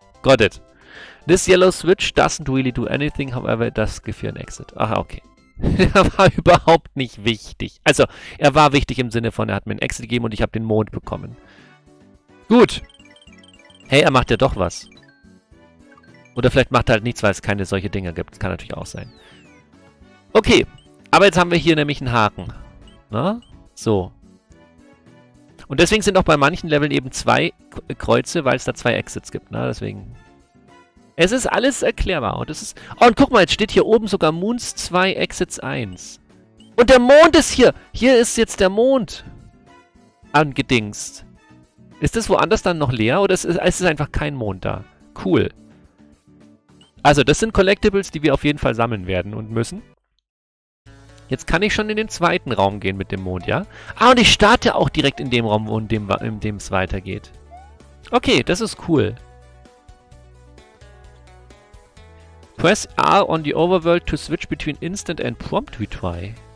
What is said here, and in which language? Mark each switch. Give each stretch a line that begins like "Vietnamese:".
English: Got it. This yellow switch doesn't really do anything, however it does give you an exit. Ah, okay.
German: Der war überhaupt nicht wichtig. Also, er war wichtig im Sinne von, er hat mir ein Exit gegeben und ich habe den Mond bekommen. Gut. Hey, er macht ja doch was. Oder vielleicht macht er halt nichts, weil es keine solche Dinger gibt. Das kann natürlich auch sein. Okay. Aber jetzt haben wir hier nämlich einen Haken. Na? So. Und deswegen sind auch bei manchen Leveln eben zwei K Kreuze, weil es da zwei Exits gibt. Na, deswegen. Es ist alles erklärbar. Und es ist. Oh, und guck mal, jetzt steht hier oben sogar Moons 2, Exits 1. Und der Mond ist hier! Hier ist jetzt der Mond angedingst. Ist das woanders dann noch leer oder ist einfach kein Mond da? Cool. Also, das sind Collectibles, die wir auf jeden Fall sammeln werden und müssen. Jetzt kann ich schon in den zweiten Raum gehen mit dem Mond, ja? Ah, und ich starte auch direkt in dem Raum, wo in dem es weitergeht. Okay, das ist cool.
English: Press R on the Overworld to switch between Instant and Prompt Retry.